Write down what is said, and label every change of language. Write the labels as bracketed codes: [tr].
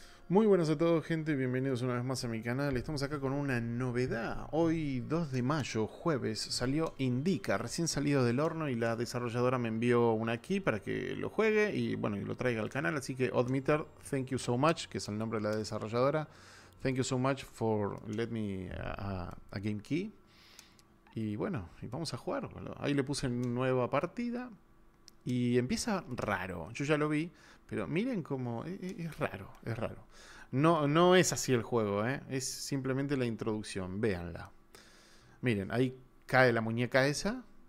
[es] Muy buenas a todos, gente, bienvenidos una vez más a mi canal. Estamos acá con una novedad. Hoy, 2 de mayo, jueves, salió Indica, recién salido del horno, y la desarrolladora me envió una key para que lo juegue y, bueno, y lo traiga al canal. Así que, Odmitter, [en] thank you so much, [es] que es el nombre de la desarrolladora. [en] Thank you so much for let me a game key. [es] Y bueno, y vamos a jugar. Ahí le puse nueva partida y empieza raro. Yo ya lo vi, pero miren cómo es raro, es raro. No es así el juego, ¿eh? Es simplemente la introducción, véanla. Miren, ahí cae la muñeca esa.